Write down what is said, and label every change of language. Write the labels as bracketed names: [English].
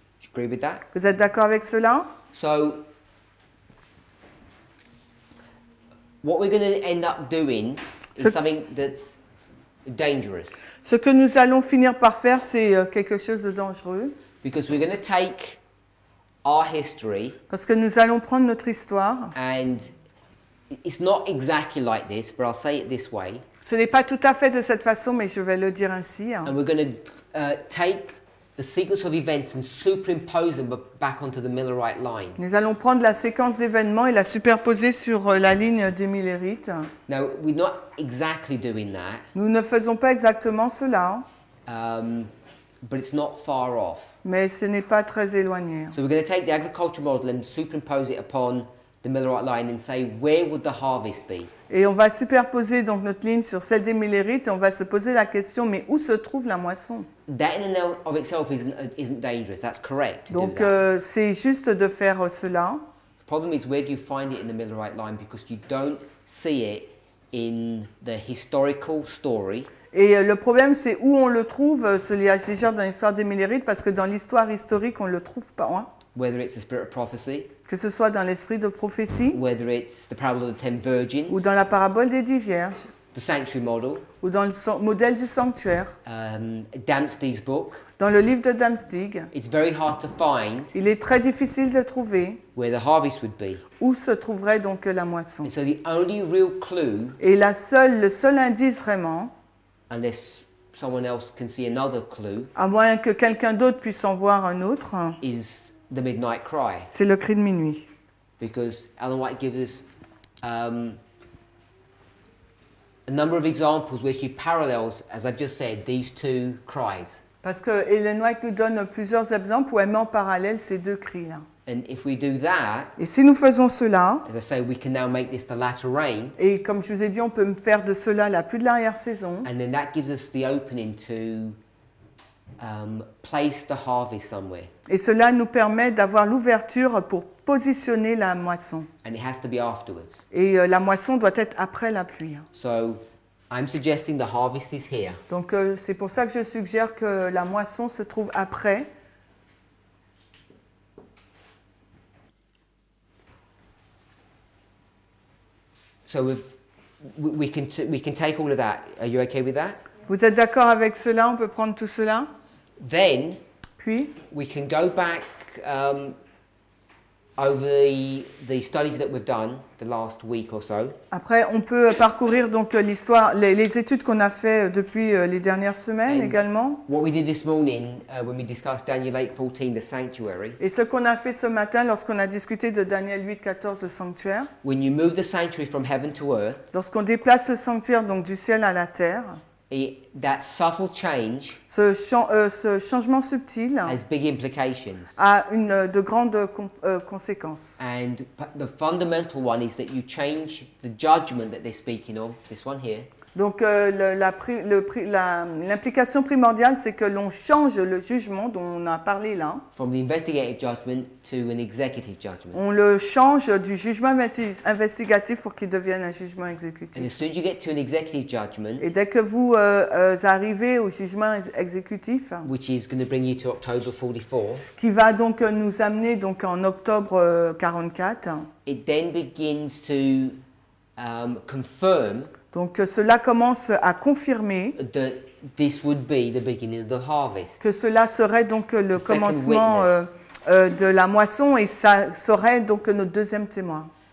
[English] You agree with that? [French] Vous êtes d'accord avec cela? [English] So, what we're going to end up doing is something that's dangerous. [French] Ce que nous allons finir par faire, c'est quelque chose de dangereux. [English] Because we're going to take our history. [French] Parce que nous allons prendre notre histoire. [English] And it's not exactly like this, but I'll say it this way. [French] Ce n'est pas tout à fait de cette façon, mais je vais le dire ainsi. [English] And we're going to take the sequence of events and superimpose them back onto the millerite line. [French] Nous allons prendre la séquence d'événements et la superposer sur la ligne des millérites. [English] Now, we're not exactly doing that. [French] Nous ne faisons pas exactement cela. [English] But it's not far off. [French] Mais ce n'est pas très éloigné. [English] So we're going to take the agriculture model and superimpose it upon the millerite line and say, where would the harvest be? [French] Et on va superposer donc notre ligne sur celle des millérites et on va se poser la question, mais où se trouve la moisson? [English] That in and of itself isn't dangerous. That's correct. [French] Donc c'est juste de faire cela. [English] The problem is, where do you find it in the millerite line? Because you don't see it in the historical story. [French] Et le problème, c'est où on le trouve, ce liage des gerbes dans l'histoire des millérites, parce que dans l'histoire historique, on ne le trouve pas. Hein? [English] Whether it's the spirit of prophecy, [French] que ce soit dans l'esprit de prophétie, [English] whether it's the parable of the ten virgins, [French] ou dans la parabole des dix vierges, [English] the sanctuary model, [French] ou dans le modèle du sanctuaire, [English] Damsdig's book, [French] dans le livre de Damsdig, [English] it's very hard to find, [French] il est très difficile de trouver [English] where the harvest would be. [French] Où se trouverait donc la moisson. [English] And so the only real clue, [French] et le seul indice vraiment, [English] unless someone else can see another clue, [French] à moins que quelqu'un d'autre puisse en voir un autre, [English] is the midnight cry. [French] C'est le cri de minuit. [English] Because Ellen White gives us a number of examples where she parallels, as I've just said, these two cries. [French] Parce que Ellen White nous donne plusieurs exemples où elle met en parallèle ces deux cris-là. [English] And if we do that, [French] et si nous faisons cela, [English] as I say, we can now make this the latter rain, [French] et comme je vous ai dit, on peut faire de cela la pluie de l'arrière saison. [English] And then that gives us the opening to place the harvest somewhere. [French] Et cela nous permet d'avoir l'ouverture pour positionner la moisson. [English] And it has to be afterwards. [French] Et la moisson doit être après la pluie. [English] So, I'm suggesting the harvest is here. [French] Donc c'est pour ça que je suggère que la moisson se trouve après. [English] So we can take all of that. Are you okay with that? [French] Vous êtes d'accord avec cela? On peut prendre tout cela? [English] Then, [French] puis, [English] we can go back over the studies that we've done the last week or so. [French] Après, on peut parcourir donc l'histoire, les études qu'on a fait depuis les dernières semaines [English] and [French] également. [English] What we did this morning when we discussed Daniel 8:14, the sanctuary. [French] Et ce qu'on a fait ce matin lorsqu'on a discuté de Daniel 8:14, le sanctuaire. [English] When you move the sanctuary from heaven to earth. [French] Lorsqu'on déplace le sanctuaire donc du ciel à la terre. [English] That subtle change, [French] ce changement subtil, [English] has big implications. [French] A de grandes conséquences. [English] And the fundamental one is that you change the judgment that they're speaking of. This one here. [French] Donc l'implication primordiale, c'est que l'on change le jugement dont on a parlé là. [English] From the investigative judgment to an executive judgment. [French] On le change du jugement investigatif pour qu'il devienne un jugement exécutif. [English] And as soon as you get to an executive judgment, [French] et dès que vous arrivez au jugement exécutif, [English] which is going to bring you to October 44, [French] qui va donc nous amener donc en octobre 44, [English] it then begins to confirm. [French] Donc cela commence à confirmer [English] that this would be the beginning of the harvest. [French] Que cela serait donc le [English] the [French] commencement de la moisson et ça serait donc notre deuxième témoin.